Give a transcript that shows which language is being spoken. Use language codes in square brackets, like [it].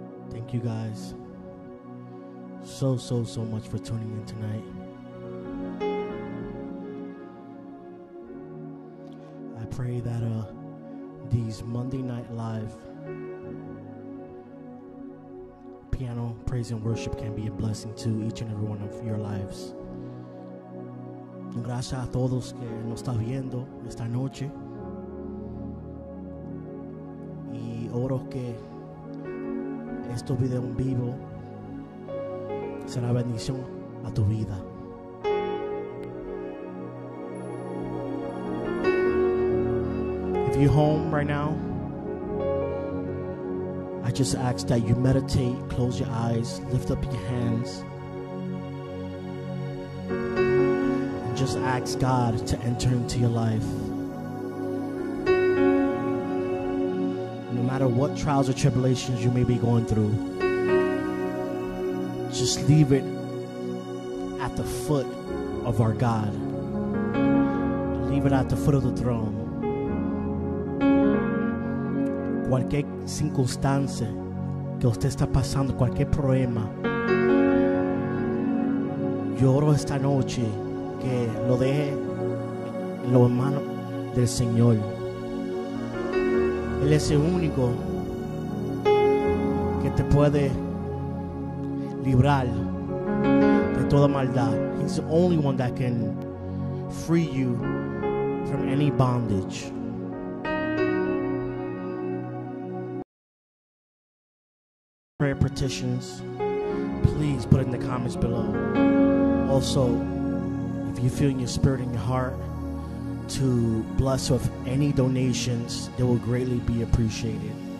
[en] Thank you guys so much for tuning in tonight. I pray that these Monday Night Live piano praise and worship can be a blessing to each and every one of your lives. [es] Gracias a todos que nos está viendo esta noche. Y oro que este video en vivo será bendición a tu vida. [en] If you're home right now, I just ask that you meditate, close your eyes, lift up your hands, and just ask God to enter into your life. No matter what trials or tribulations you may be going through, just leave it at the foot of our God. Leave it at the foot of the throne. [es] Cualquier circunstancia que usted está pasando, cualquier problema, yo oro esta noche que lo deje en las manos del Señor. Él es el único que te puede librar de toda maldad. [en] He's the only one that can free you from any bondage. Prayer petitions, please put it in the comments below. Also, if you feel in your spirit and your heart to bless with any donations, they will greatly be appreciated.